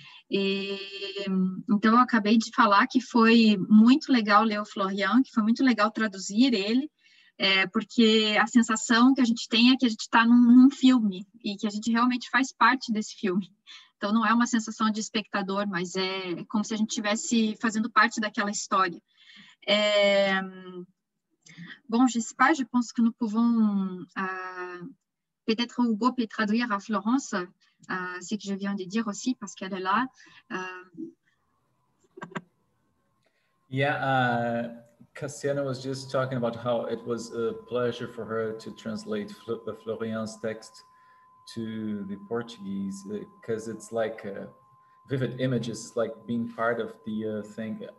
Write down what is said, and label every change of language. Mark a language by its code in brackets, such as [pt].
[pt] Então, eu acabei de falar que foi muito legal ler o Florian, que foi muito legal traduzir ele, porque a sensação que a gente tem é que a gente está num filme e que a gente realmente faz parte desse filme. Então, não é uma sensação de espectador, mas é como se a gente estivesse fazendo parte daquela história. [fr] Bom, je sais pas, je pense que nous pouvons peut-être Hugo peut traduire à Florence ce que je viens de dire aussi parce qu'elle est là. [en] Cassiana was just talking about how it was a pleasure for her to translate Florian's text to the Portuguese because it's like vivid images, it's like being part of the thing.